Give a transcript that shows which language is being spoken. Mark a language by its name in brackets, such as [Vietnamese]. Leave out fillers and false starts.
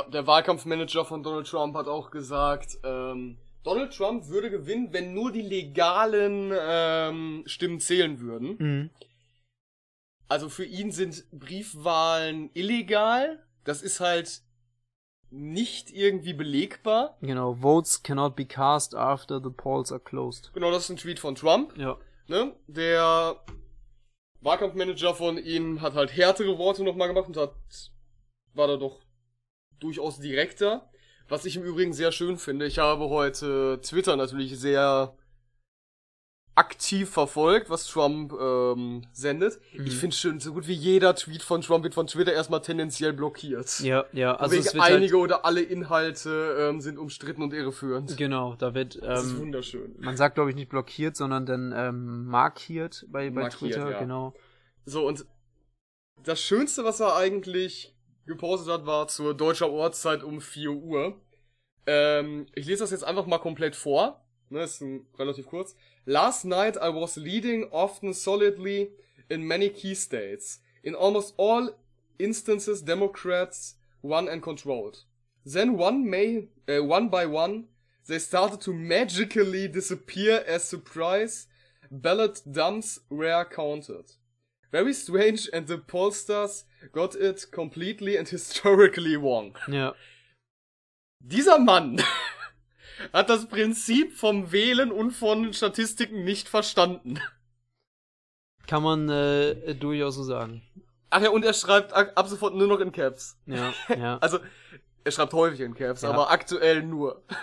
[German] Ja, der Wahlkampfmanager von Donald Trump hat auch gesagt, Donald Trump würde gewinnen, wenn nur die legalen Stimmen zählen würden. Mhm. Also für ihn sind Briefwahlen illegal. Das ist halt nicht irgendwie belegbar. Genau, [English] votes cannot be cast after the polls are closed. [German] Genau, das ist ein Tweet von Trump. Ja. Ne? Der Wahlkampfmanager von ihm hat halt härtere Worte nochmal gemacht und war da doch durchaus direkter. Was ich im Übrigen sehr schön finde, ich habe heute Twitter natürlich sehr aktiv verfolgt, was Trump sendet. Mhm. Ich finde es schön, so gut wie jeder Tweet von Trump wird von Twitter erstmal tendenziell blockiert. Ja, ja. Also es wird einige halt oder alle Inhalte sind umstritten und irreführend. Genau, da wird... das ist wunderschön. Man sagt, glaube ich, nicht blockiert, sondern dann markiert bei Twitter, ja. Genau. So, und das Schönste, was er eigentlich gepostet hat, war zur deutscher Ortszeit um 4 Uhr. Ich lese das jetzt einfach mal komplett vor. Ne, ist relativ kurz. [English] Last night I was leading often solidly in many key states. In almost all instances Democrats won and controlled. Then one by one they started to magically disappear as surprise ballot dumps were counted. Very strange, and the pollsters got it completely and historically wrong. [German] Ja. Dieser Mann hat das Prinzip vom Wählen und von Statistiken nicht verstanden. Kann man durchaus so sagen. Ach ja, und er schreibt ab sofort nur noch in Caps. Ja, ja. Also, er schreibt häufig in Caps, ja. Aber aktuell nur.